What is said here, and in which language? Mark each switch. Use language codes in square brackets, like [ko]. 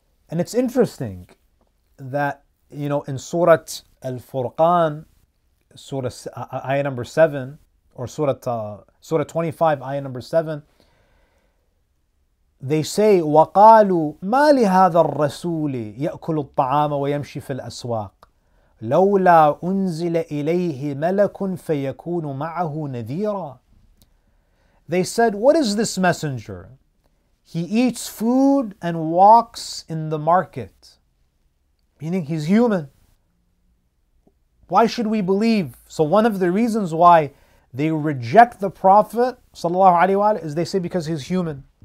[en] And it's interesting that, you know, in Surah Al-Furqan, ayah number 7, or Surah 25, ayah number 7, they say, [ar] وَقَالُوا مَا لِهَذَا الرَّسُولِ يَأْكُلُ الطَّعَامَ وَيَمْشِي فِي الْأَسْوَاقِ. لولا أنزل إليه ملك فيكون معه نذيرا. [en] They said, what is this messenger? He eats food and walks in the market. Meaning he's human. Why should we believe? So one of the reasons why they reject the Prophet sallallahu alaihi wa sallam is they say because he's human.